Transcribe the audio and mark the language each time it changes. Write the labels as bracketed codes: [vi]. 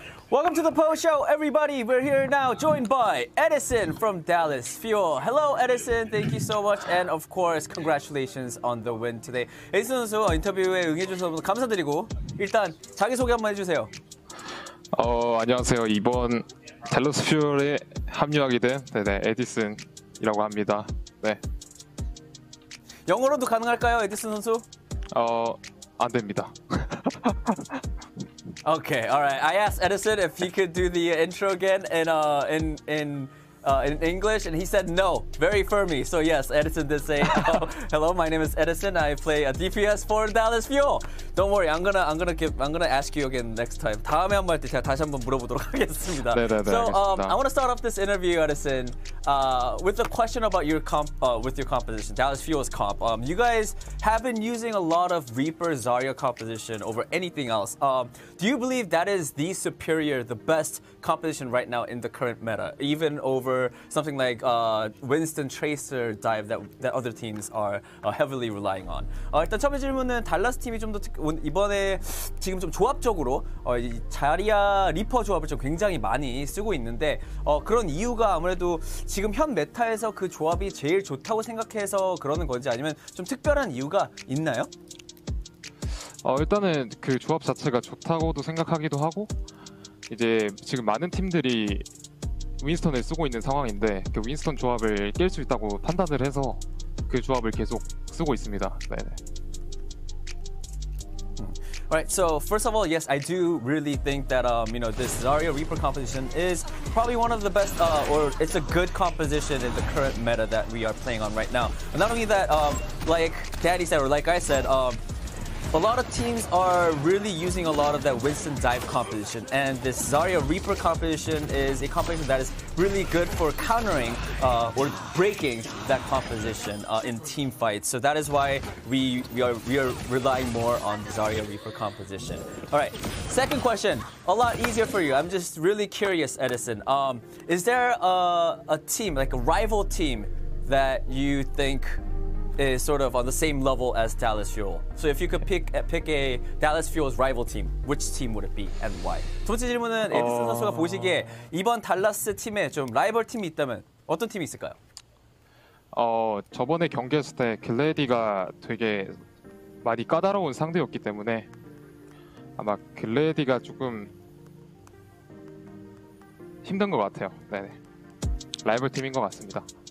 [en] Welcome to the post show, everybody. We're here now, joined by Edison from Dallas Fuel. Hello, Edison. Thank you so much, and of course, congratulations on the win today. [ko] Edison 선수 인터뷰에 응해주셔서 감사드리고 일단 자기 소개 한번 해주세요. 안녕하세요. 이번 Dallas Fuel에 합류하게 된 네네 에디슨이라고 합니다. 네. 영어로도 가능할까요, 에디슨 선수? 안 됩니다. [en] Okay, all right. I asked Edison if he could do the intro again in in English, and he said no, very firmly. So yes, Edison did say, hello, my name is Edison. I play a DPS for Dallas Fuel. Don't worry, I'm gonna ask you again next time. [ko] 다음에 한번 할 때 제가 다시 한번 물어보도록 하겠습니다. 네네네, [en] so [ko] 알겠습니다. [en] I want to start off this interview, Edison, with a question about your comp, with your composition, Dallas Fuel's comp. You guys have been using a lot of Reaper Zarya composition over anything else. Do you believe that is the superior, the best composition right now in the current meta, even over something like Winston Tracer dive that other teams are heavily relying on? [ko] 일단 처음 질문은 달라스 팀이 좀 더 이번에 지금 좀 조합적으로 자리아 리퍼 조합을 좀 굉장히 많이 쓰고 있는데 그런 이유가 아무래도 지금 현 메타에서 그 조합이 제일 좋다고 생각해서 그러는 건지 아니면 좀 특별한 이유가 있나요? 일단은 그 조합 자체가 좋다고도 생각하기도 하고 이제 지금 많은 팀들이 윈스턴을 쓰고 있는 상황인데 그 윈스턴 조합을 깰 수 있다고 판단을 해서 그 조합을 계속 쓰고 있습니다. 네네. [en] Alright, so first of all, yes, I do really think that, you know, this Zarya Reaper composition is probably one of the best, or it's a good composition in the current meta that we are playing on right now. But not only that, like Daddy said, or like I said, a lot of teams are really using a lot of that Winston dive composition, and this Zarya Reaper composition is a composition that is really good for countering or breaking that composition in team fights. So that is why we are relying more on Zarya Reaper composition. All right, second question, a lot easier for you. I'm just really curious, Edison. Is there a team, like a rival team, that you think is sort of on the same level as Dallas Fuel? So if you could pick a Dallas Fuel's rival team, which team would it be and why? [ko] 두 번째 질문은 에디슨 선수가 보시기에 이번 달라스 팀에 좀 라이벌 팀이 있다면 어떤 팀이 있을까요? 저번에 경기했을 때 글래디가 되게 많이 까다로운 상대였기 때문에 아마 글래디가 조금 힘든 것 같아요. 네네. 라이벌 팀인 것 같습니다.